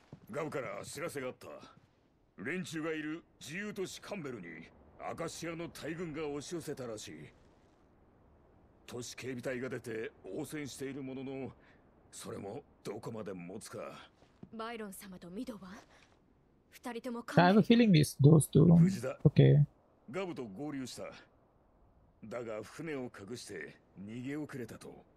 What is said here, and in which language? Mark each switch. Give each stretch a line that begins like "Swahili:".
Japanese: ガブから知らせがあった。連中がいる自由都市カンベルにアカシアの大軍が押し寄せたらしい。都市警備隊が出て応戦しているものの、それもどこまで持つか。バイロン様とミドは？
English: I have a feeling this goes too long. Okay.
Japanese: ガブと合流した。だが船を隠して逃げ遅れたと。